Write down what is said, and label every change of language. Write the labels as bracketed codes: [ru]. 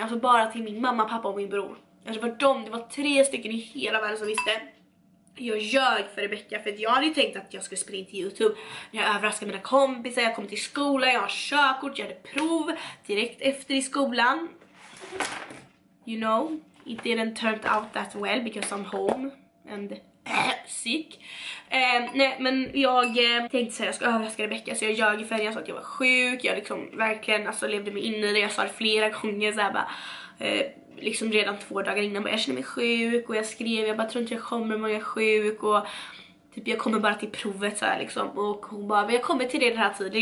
[sv] Alltså bara till min mamma, pappa och min bror. Alltså för dem, det var 3 stycken i hela världen som visste. jag ljög för Rebecka, för att jag hade tänkt att jag skulle spela in till YouTube. Jag överraskade mina kompisar, jag kom till skolan, jag har körkort, jag hade prov direkt efter i skolan. [en] You know, it didn't turn out that well because I'm home and sick. [sv] Nej, men jag tänkte säga att jag ska överraska Rebecka, så jag ljög för henne. Jag sa att jag var sjuk, jag liksom verkligen alltså, levde mig in i det. Jag sa det flera gånger såhär bara... liksom redan 2 dagar innan, bara, jag känner mig sjuk. Och jag skrev, jag bara tror inte jag kommer, men jag är sjuk. Och typ jag kommer bara till provet såhär liksom. Och hon bara, men jag kommer till det den här tiden.